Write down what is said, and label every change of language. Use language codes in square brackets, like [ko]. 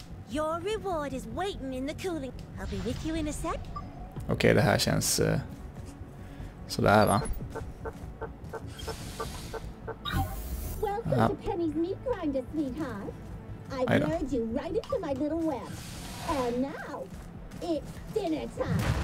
[en] Your reward is waiting in the cooling. I'll be with you in a sec. [sv] Okej, det här känns så där, va. [en] Welcome to Penny's meat grinder, sweetheart. I've lured you right into my little web. And now it's dinner time.